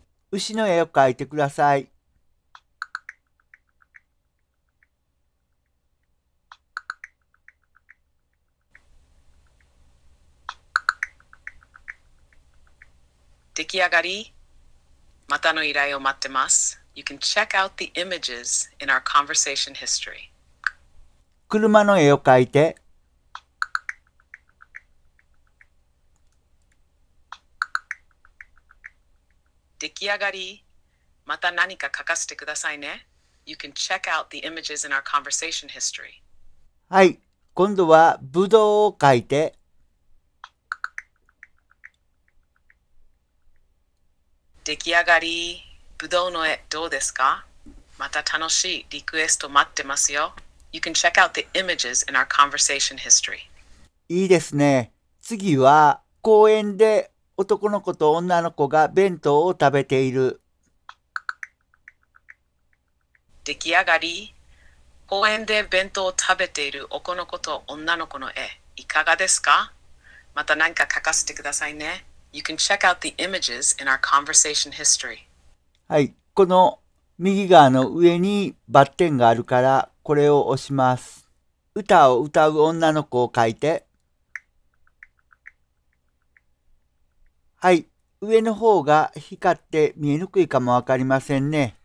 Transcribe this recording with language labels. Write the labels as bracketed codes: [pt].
[ja] 牛の絵を描いてください。出来上がり。またの依頼を待ってます。 [en] You can check out the images in our conversation history. [ja] 車の絵を描いて。出来上がり。また何か描かせてくださいね。 [en] You can check out the images in our conversation history. [ja] はい、今度はブドウを描いて。出来上がり。ぶどうの絵どうですか？また楽しいリクエスト待ってますよ。 [en] You can check out the images in our conversation history. [ja] いいですね。次は公園で男の子と女の子が弁当を食べている。出来上がり。公園で弁当を食べている男の子と女の子の絵、いかがですか？また何か書かせてくださいね。 [en] You can check out the images in our conversation history. [ja] はい、この右側の上にバッテンがあるからこれを押します。歌を歌う女の子を書いて。はい、上の方が光って見えにくいかもわかりませんね。